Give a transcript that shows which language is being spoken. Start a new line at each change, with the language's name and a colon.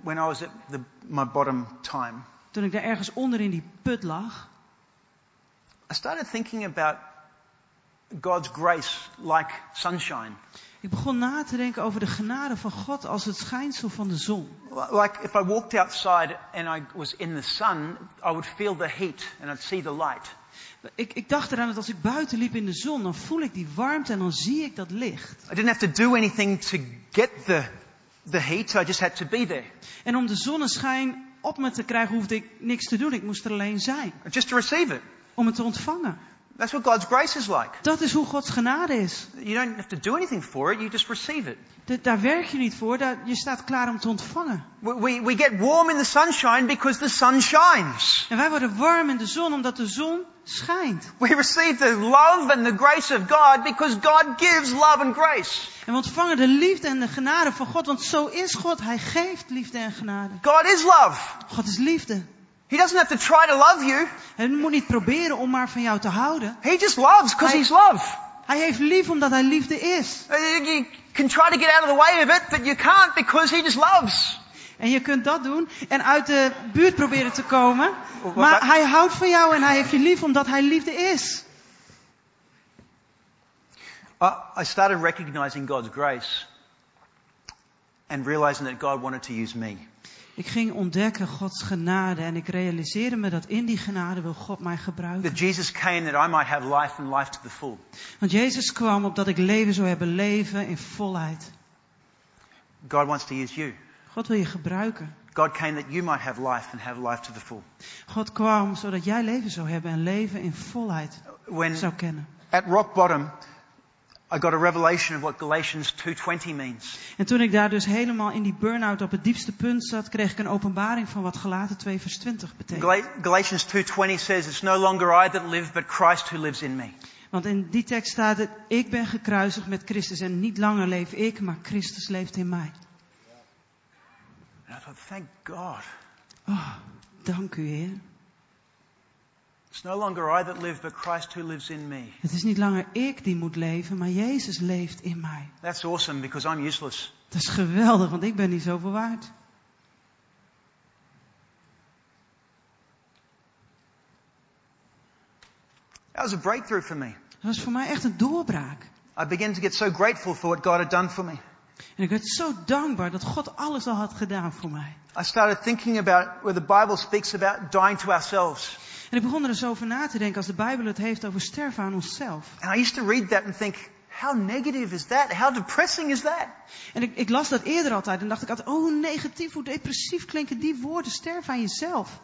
English: When I was at the, my bottom time,
Dutch: toen ik daar ergens onder in die put lag.
English: I started thinking about God's grace like sunshine.
Dutch: Ik begon na te denken over de genade van God als het schijnsel van de zon.
English: Like if I walked outside and I was in the sun, I would feel the heat and I'd see the light.
Dutch: Ik dacht eraan dat als ik buiten liep in de zon, dan voel ik die warmte en dan zie ik dat licht.
English: I didn't have to do anything to get the heat, I just had to be there.
Dutch: En om de zonneschijn op me te krijgen, hoefde ik niks te doen. Ik moest er alleen zijn.
English: Just to receive it.
Dutch: Om het te ontvangen.
English: That's what God's grace is like.
Dutch: Dat is hoe Gods genade is.
English: You don't have to do anything for it, you just receive it.
Dutch: Daar werk je niet voor, je staat klaar om te ontvangen.
English: We get warm in the sunshine because the sun shines.
Dutch: En wij worden warm in de zon omdat de zon schijnt.
English: We receive the love and the grace of God because God gives love and grace.
Dutch: En we ontvangen de liefde en de genade van God, want zo is God, hij geeft liefde en genade.
English: God is love.
Dutch: God is liefde.
English: He doesn't have to try to love you.
Dutch: Hij moet niet proberen om maar van jou te houden.
English: He just loves because he's love.
Dutch: Hij heeft lief omdat hij liefde is.
English: You can try to get out of the way of it, but you can't because he just loves.
Dutch: En je kunt dat doen en uit de buurt proberen te komen, maar hij houdt van jou en hij heeft je lief omdat hij liefde is.
English: I started recognizing God's grace and realizing that God wanted to use me.
Dutch: Ik ging ontdekken Gods genade en ik realiseerde me dat in die genade wil God mij gebruiken.
English: That Jesus came that I might have life and life to the full.
Dutch: Want Jezus kwam opdat ik leven zou hebben, leven in volheid.
English: God wants to use you.
Dutch: God wil je gebruiken.
English: God came that you might have life and have life to the full.
Dutch: God kwam zodat jij leven zou hebben en leven in volheid zou kennen.
English: At rock bottom I got a revelation of what Galatians 2:20 means.
Dutch: En toen ik daar dus helemaal in die burn-out op het diepste punt zat, kreeg ik een openbaring van wat Galaten 2:20 betekent.
English: Galatians 2:20 says it's no longer I that live but Christ who lives in me.
Dutch: Want in die tekst staat het: ik ben gekruisigd met Christus en niet langer leef ik, maar Christus leeft in mij.
English: And I thought, thank God.
Dutch: Oh, dank u Heer.
English: It's no longer I that live, but Christ who lives in me.
Dutch: Het is niet langer ik die moet leven, maar Jezus leeft in mij.
English: That's awesome because I'm useless.
Dutch: Dat is geweldig, want ik ben niet zoveel waard.
English: That was a breakthrough for me.
Dutch: Dat was voor mij echt een doorbraak.
English: I began to get so grateful for what God had done for me.
Dutch: En ik werd zo dankbaar dat God alles al had gedaan voor mij.
English: I started thinking about where the Bible speaks about dying to ourselves.
Dutch: En ik begon er zo over na te denken als de Bijbel het heeft over sterven aan onszelf.
English: And I used to read that and think, how negative is that? How depressing is that?
Dutch: En ik las dat eerder altijd en dacht ik altijd, oh, hoe negatief, hoe depressief klinken die woorden, sterven aan jezelf.